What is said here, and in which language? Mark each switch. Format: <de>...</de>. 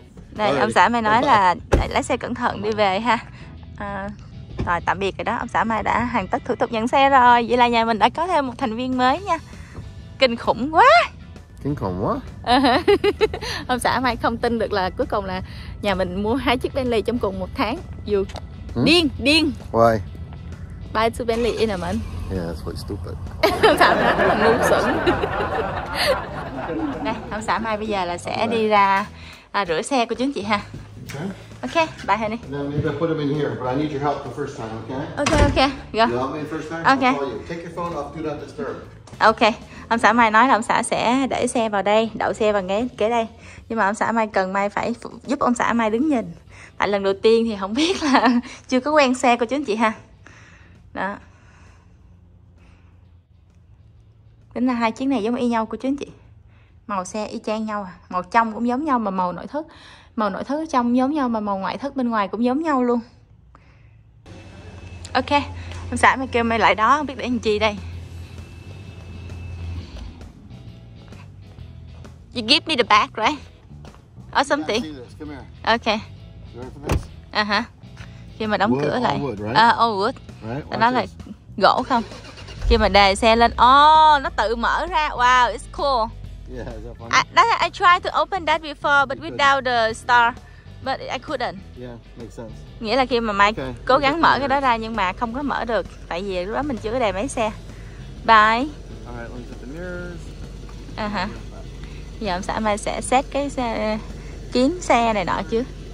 <vi>Đây, ông xã Mai nói là lái xe cẩn thận đi về ha. Rồi tạm biệt rồi đó, ông xã Mai đã hoàn tất thủ tục nhận xe rồi. Vậy là nhà mình đã có thêm một thành viên mới nha. Kinh khủng quá. Kinh khủng quá. Ông xã Mai không tin được là cuối cùng là nhà mình mua hai chiếc Bentley trong cùng một tháng. Dù điên.</vi> <en>Why? Buy two Bentley in a month. Yeah, that's quite stupid.</en> <vi>Ông xã Mai là ngu xuẩn. Đây, ông xã Mai bây giờ là sẽ đi ra rửa xe của chúng chị ha.</vi> <en>Okay, bye honey. Then maybe I'll put them in here, but I need your help the first time, okay? Okay, go. You help me the first time, okay. I'll call you. Take your phone off, do not disturb. Okay.</en> <vi>Ông xã Mai nói là ông xã sẽ để xe vào đây, đậu xe vào ghế kế đây. Nhưng mà ông xã Mai cần Mai phải giúp ông xã Mai đứng nhìn. Tại lần đầu tiên thì không biết là chưa có quen xe cô chú anh chị ha. Đó. Tính là hai chiếc này giống y nhau cô chú anh chị. Màu xe y chang nhau à. Màu trong cũng giống nhau mà màu nội thất. Màu nội thất trong giống nhau mà màu ngoại thất bên ngoài cũng giống nhau luôn. Ok, ông xã Mai kêu Mai lại đó, không biết để làm gì đây.</vi> <en>You give me the back, right? Or something? Yeah, come here. Okay. You ready for this?</en> <vi>Uh-huh. Khi mà đóng</vi> <en>wood,</en> <vi>cửa lại.</vi> <en>All wood, right? Wood. Right?</en> <vi>Nó là gỗ không? Khi mà đè xe lên. Oh, nó tự mở ra.</vi> <en>Wow, it's cool. Yeah, is that funny? I tried to open that before, but you without couldn't. The star. But I couldn't. Yeah, makes sense.</en> <vi>Nghĩa là khi mà Mai okay. cố gắng mở cái đó ra nhưng mà không có mở được. Tại vì lúc đó mình chưa có đè máy xe.</vi> <en>Bye. All right, let's get the mirrors. Uh-huh.</en> <vi>Giờ ông xã Mai sẽ xét cái xe, kiếm xe này nọ chứ.</vi>